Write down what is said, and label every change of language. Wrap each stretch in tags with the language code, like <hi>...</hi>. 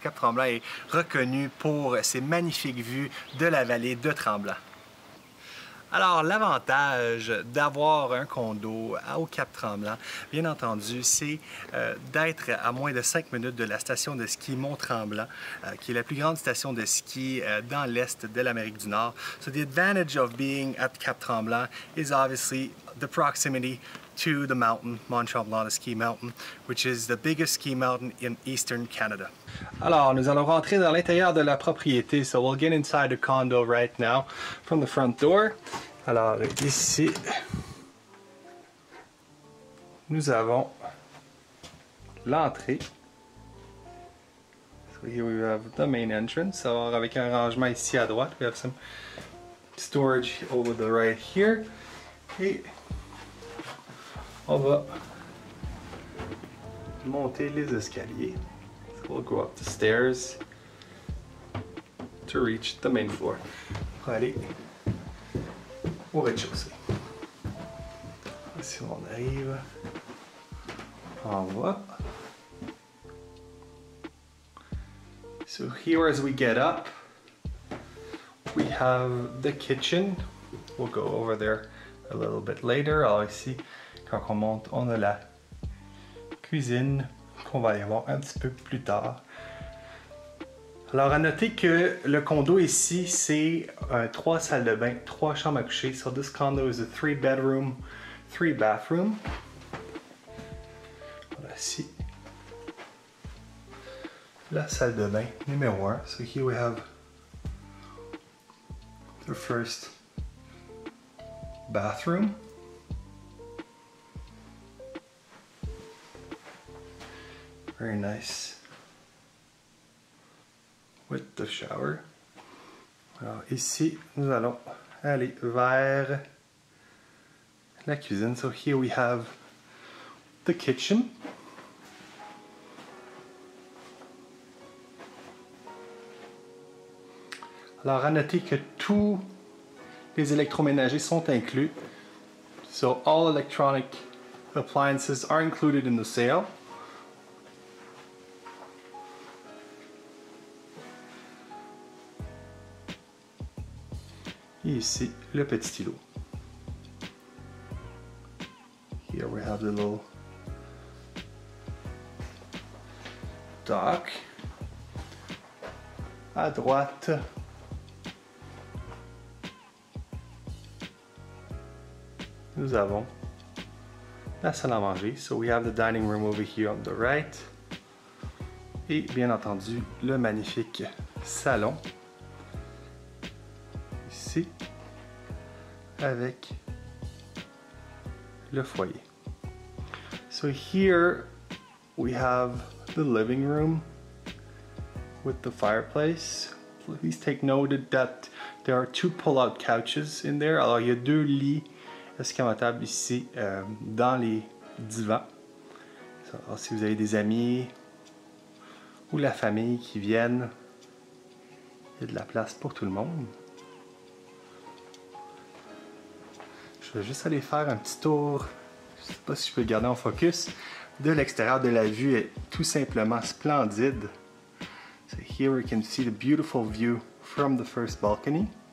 <fr>Cap Tremblant est reconnu pour ses magnifiques vues de la vallée de Tremblant. Alors, l'avantage d'avoir un condo au Cap-Tremblant, bien entendu, c'est d'être à moins de 5 minutes de la station de ski Mont-Tremblant, qui est la plus grande station de ski dans l'est de l'Amérique du Nord.</fr> <en>So the advantage of being at Cap-Tremblant is obviously the proximity to the mountain, Mont Tremblant, the ski mountain, which is the biggest ski mountain in eastern Canada.</en> <fr>Alors, nous allons rentrer dans l'intérieur de la propriété.</fr> <en>So we'll get inside the condo right now from the front door.</en> <fr>Alors, ici, nous avons l'entrée.</fr> <en>So here we have the main entrance.</en> <fr>Alors, avec un rangement ici à droite,</fr> <en>we have some storage over the right here.</en> <fr>Et on va monter les escaliers.</fr> <en>So we'll go up the stairs to reach the main floor.</en> <fr>On va aller au rez-de-chaussée. Si on arrive, on va.</fr> <en>So here as we get up, we have the kitchen. We'll go over there a little bit later.</en> <fr>Alors ici, quand on monte, on a la cuisine qu'on va aller voir un petit peu plus tard. Alors, à noter que le condo ici, c'est trois salles de bain, trois chambres à coucher.</fr> <en>So this condo is a three bedroom, three bathroom.</en> <fr>Voilà ici. La salle de bain numéro 1.</fr> <en>So here we have the first bathroom. Very nice with the shower.</en> <fr>Alors ici, nous allons aller vers la cuisine.</fr> <en>So here we have the kitchen.</en> <fr>Alors à noter que tous les électroménagers sont inclus.</fr> <en>So all electronic appliances are included in the sale.</en> <fr>Et ici, le petit stylo.</fr> <en>Here we have the little dock.</en> <fr>À droite, nous avons la salle à manger.</fr> <en>So we have the dining room over here on the right.</en> <fr>Et bien entendu, le magnifique salon. Ici, avec le foyer.</fr> <en>So here we have the living room with the fireplace. Please take note that there are two pull-out couches in there.</en> <fr>Alors il y a deux lits escamotables ici dans les divans. Alors si vous avez des amis ou la famille qui viennent, il y a de la place pour tout le monde. Je vais juste aller faire un petit tour, je ne sais pas si je peux le garder en focus, de l'extérieur de la vue est tout simplement splendide.</fr> <en>So here we can see the beautiful view from the first balcony.</en>